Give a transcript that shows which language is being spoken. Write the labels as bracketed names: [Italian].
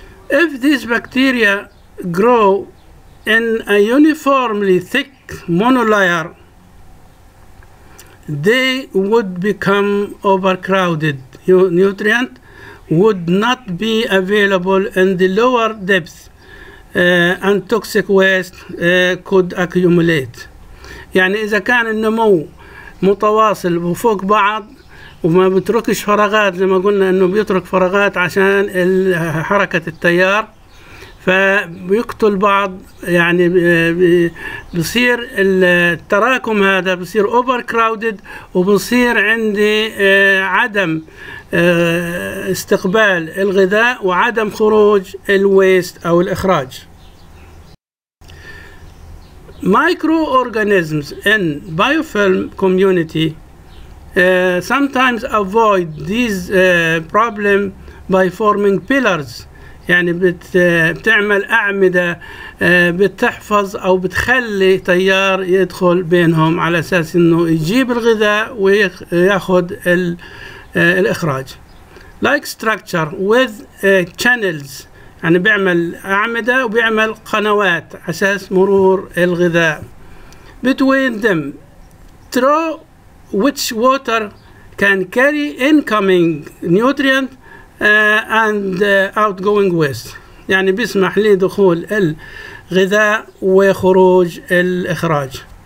[English] If these bacteria grow in a uniformly thick monolayer, they would become overcrowded. Nutrient would not be available in the lower depths and toxic waste could accumulate. [Arabic] يعني إذا كان النمو متواصل وفوق بعض وما بتركش فراغات زي ما قلنا إنه بيترك فراغات عشان حركة التيار فبيقتل بعض, يعني بصير التراكم هذا بصير اوفر كراودد وبصير عندي عدم استقبال الغذاء وعدم خروج الويست او الاخراج. [English] Microorganisms in biofilm community sometimes avoid these problem by forming pillars. [Arabic] يعني بتعمل أعمدة بتحفظ أو بتخلي تيار يدخل بينهم على أساس أنه يجيب الغذاء ويأخذ الإخراج. [English] Like structure with channels, [Arabic] يعني بيعمل أعمدة وبيعمل قنوات على أساس مرور الغذاء. [English] Between them, through which water can carry incoming nutrient and outgoing waste. [Arabic] يعني بيسمح لي دخول الغذاء وخروج الإخراج.